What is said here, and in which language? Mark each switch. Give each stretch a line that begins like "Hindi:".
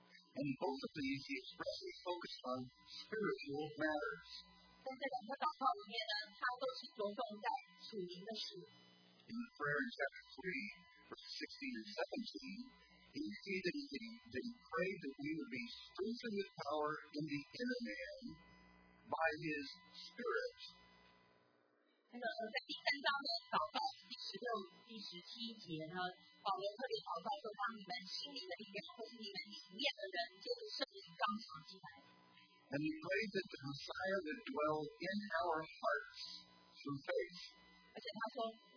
English: And both of these he expressly focused on spiritual matters.
Chinese: 在这两次祷告里面呢，他都是着重在属灵的事。
English: In the prayer in chapter 3, verses 16 and 17, you see that he prayed that we would be strengthened with power in the inner man by his spirit.
Chinese: 那么在第三章的祷告第十六、第十七节呢，保罗特别祷告说，让你们心里的灵，或是你们里面的人，就是圣灵刚强起来。
English: And he prayed that the Messiah would dwell in our hearts through faith.